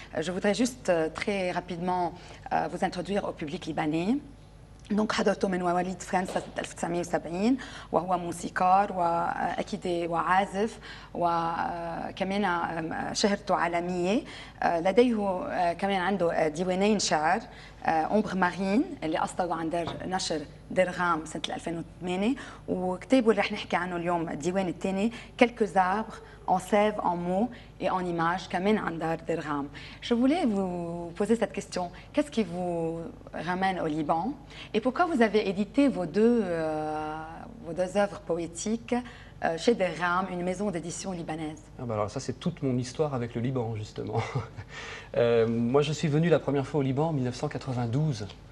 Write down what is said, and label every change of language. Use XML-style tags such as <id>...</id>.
<fr>Je voudrais juste très rapidement vous introduire au public libanais.</fr> <ar>Donc, حضرته من مواليد فرنسا 1970، وهو موسيقار وأكيد وعازف، وكمان شهرته عالمية. لديه كمان عنده ديوانين شعر، أومبغ مارين اللي أصدروا عن دار نشر درغام سنة 2008، وكتابه اللي رح نحكي عنه اليوم الديوان الثاني كالكوز أبغ</ar> <fr>en sève, en mots et en images,</fr> <ar>Kamen Andar Derham.</ar> <fr>Je voulais vous poser cette question. Qu'est-ce qui vous ramène au Liban? Et pourquoi vous avez édité vos deux œuvres poétiques chez Derham, une maison d'édition libanaise? Ah bah alors ça, c'est toute mon histoire avec le Liban, justement. moi, je suis venu la première fois au Liban en 1992.</fr>